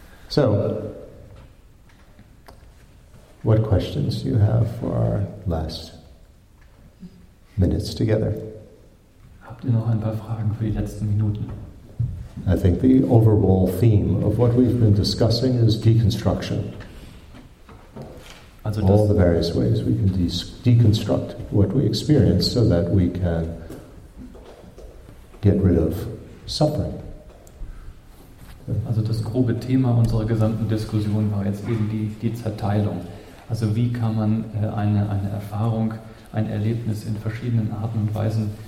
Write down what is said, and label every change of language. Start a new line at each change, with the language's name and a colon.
English: So, what questions do you have for our last minutes together?
German: Habt ihr noch ein paar Fragen für die letzten Minuten?
English: I think the overall theme of what we've been discussing is deconstruction. Also all the various ways we can deconstruct what we experience so that we can get rid of suffering.
German: Also das grobe Thema unserer gesamten Diskussion war jetzt eben die Zerteilung. Also wie kann man eine Erfahrung, ein Erlebnis in verschiedenen Arten und Weisen